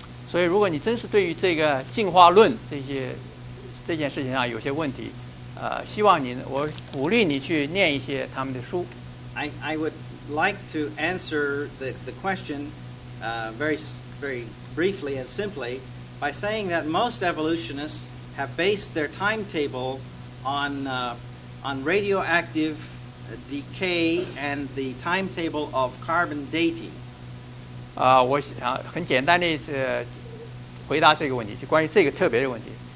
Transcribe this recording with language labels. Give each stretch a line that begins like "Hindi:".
Chinese: 所以如果你真是对于这个进化论这件事情上有些问题希望你我鼓励你去念一些他们的书。
English: I would like to answer the question very, very briefly and simply by saying that most evolutionists have based their timetable on radioactive decay and the timetable of carbon dating.
Chinese: 我想很简单地回答这个问题，就关于这个特别的问题。